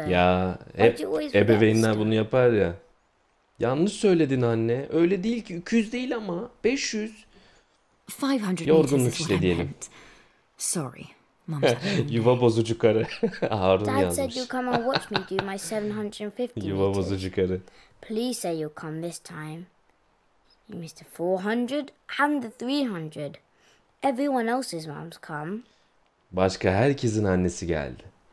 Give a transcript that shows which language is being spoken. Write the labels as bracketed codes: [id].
[tr] Ya, ebeveynler bunu yapar ya. Yanlış söyledin anne. Öyle değil ki, 200 değil ama 500. 500 yorgunluk işte diyelim. [en] Sorry. [tr] Yuva bozucu karı. Harun [en] Dad [tr] yazmış. [en] Dad said you'll come and watch me do my 750. [tr] Yuva bozucu karı. [en] Please say you'll come this time. You missed the 400 and the 300. Everyone else's mom's come. [tr] Başka herkesin annesi geldi.